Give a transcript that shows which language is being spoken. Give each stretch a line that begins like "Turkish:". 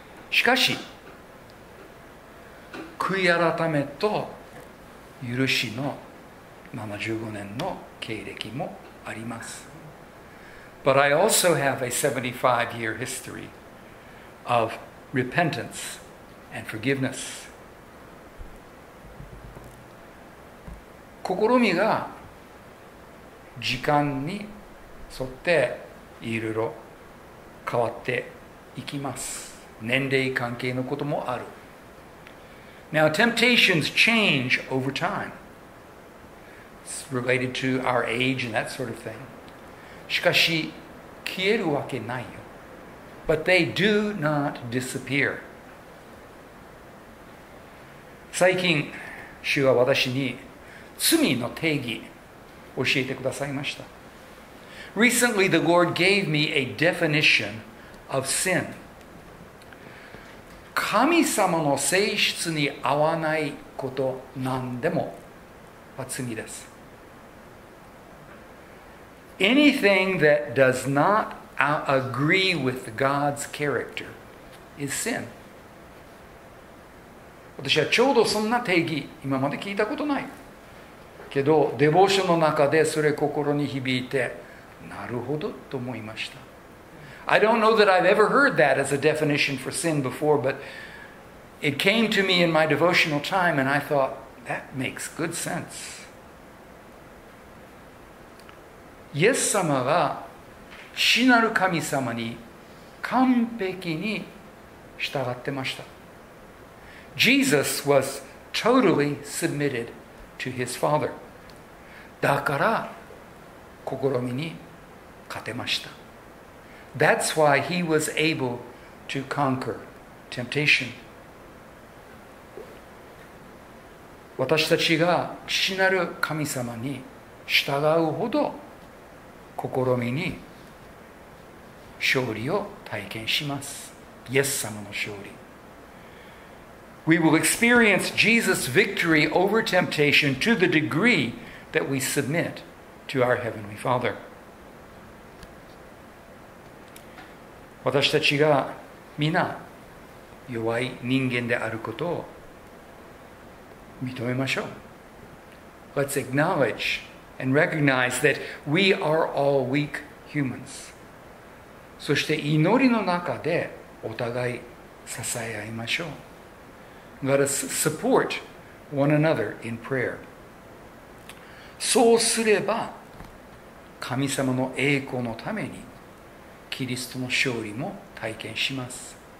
Japanese: しかし、悔い改めと許しの75年の経歴もあります。
English: But I also have a 75-year history of repentance and forgiveness.
Japanese: 試みが時間に沿っていろいろ変わっていきます。年齢関係のこともある。
English: Now, temptations change over time. It's related to our age and that sort of thing.
Japanese: しかし、消えるわけないよ。
English: But they do not disappear.
Japanese: 最近、主は私に罪の定義を教えてくださいました。
English: Recently, the Lord gave me a definition of sin.
Japanese: 神様の性質に合わないこと何でも罪です。
English: Anything that does not agree with God's character is sin.
Japanese: 私はちょうどそんな定義今まで聞いたことない。けど、デボーションの中でそれ心に響いて、なるほどと思いました。
English: I don't know that I've ever heard that as a definition for sin before, butIt came to me in my devotional time, and I thought, that makes good sense.
Japanese: イエス様が死なる神様に完璧に従ってました。
English: Jesus was totally submitted to his Father.
Japanese: だから、試みに勝てました。
English: That's why he was able to conquer temptation.
Japanese: 私たちが父なる神様に従うほど試みに勝利を体験します。イエス様の勝利。
English: We will experience Jesus' victory over temptation to the degree that we submit to our Heavenly Father.
Japanese: 私たちが皆弱い人間であることを認めましょう。
English: Let's acknowledge and recognize that we are all weak humans.
Japanese: そして祈りの中でお互い支え合いましょう。
English: Let us support one another in prayer.
Japanese: そうすれば神様の栄光のためにキリストの勝利も体験します。